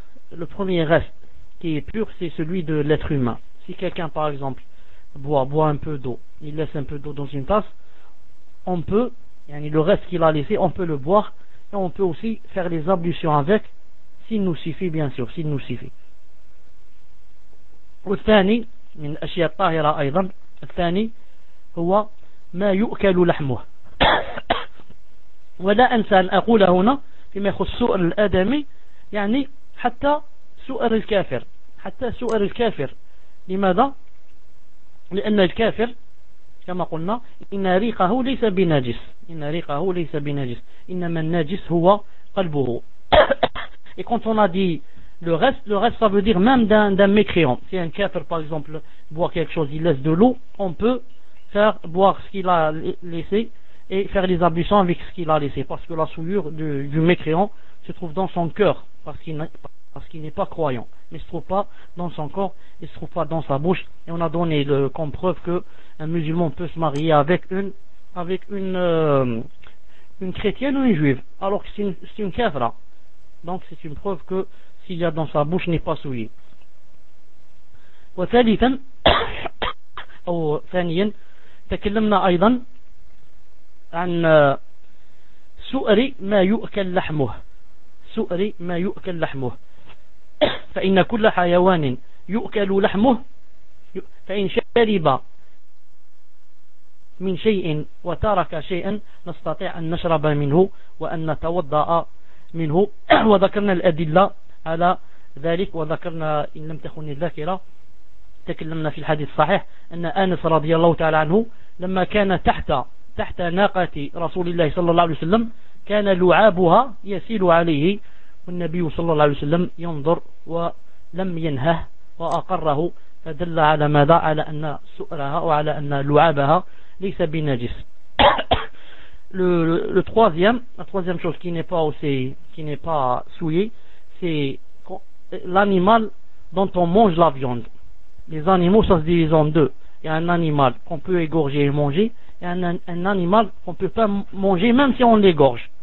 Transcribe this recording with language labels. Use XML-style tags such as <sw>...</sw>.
<fr>le premier reste qui est pur c'est celui de l'être humain. Si quelqu'un par exemple boit un peu d'eau, il laisse un peu d'eau dans une tasse, on peut, yani le reste qu'il a laissé, on peut le boire et on peut aussi faire les ablutions avec, s'il nous suffit bien sûr, s'il nous suffit.</fr> <ar>والثاني من الأشياء الطاهرة أيضا، الثاني هو ما يؤكل لحمه. ولا أنسى أن أقول هنا فيما يخص سؤر الآدمي، يعني حتى سؤر الكافر. لماذا؟ لأن الكافر كما قلنا إن ريقه ليس بنجس، إنما النجس هو قلبه.</ar> <fr>Et quand on a dit le reste, ça veut dire même d'un mécréant. Si un kafir par exemple boit quelque chose, il laisse de l'eau, on peut faire boire ce qu'il a laissé et faire les ablutions avec ce qu'il a laissé, parce que la souillure du mécréant se trouve dans son cœur, parce qu'il n'est pas croyant, mais il se trouve pas dans son corps, il se trouve pas dans sa bouche. Et on a donné comme preuve que un musulman peut se marier avec une chrétienne ou une juive, alors que c'est une kafra. Donc c'est une preuve que s'il y a dans sa bouche n'est pas souillé.</fr> <ar>وثالثا أو ثانيا تكلمنا أيضا عن سؤري ما يؤكل لحمه. سؤري ما يؤكل لحمه، فإن كل حيوان يؤكل لحمه، فإن شرب من شيء وترك شيئا نستطيع أن نشرب منه وأن نتوضأ منه. وذكرنا الأدلة على ذلك، وذكرنا إن لم تخني الذاكرة تكلمنا في الحديث الصحيح أن أنس رضي الله تعالى عنه لما كان تحت ناقة رسول الله صلى الله عليه وسلم كان لعابها يسيل عليه، والنبي صلى الله عليه وسلم ينظر ولم ينهه وأقره فدل على ماذا؟ على أن سؤرها وعلى أن لعابها ليس بنجس.</ar> <fr>le troisième chose qui n'est pas aussi, qui n'est pas souillée, c'est l'animal dont on mange la viande. Les animaux, ça se divise en deux. Il y a un animal qu'on peut égorger et manger, et un animal qu'on peut pas manger même si on l'égorge.</fr>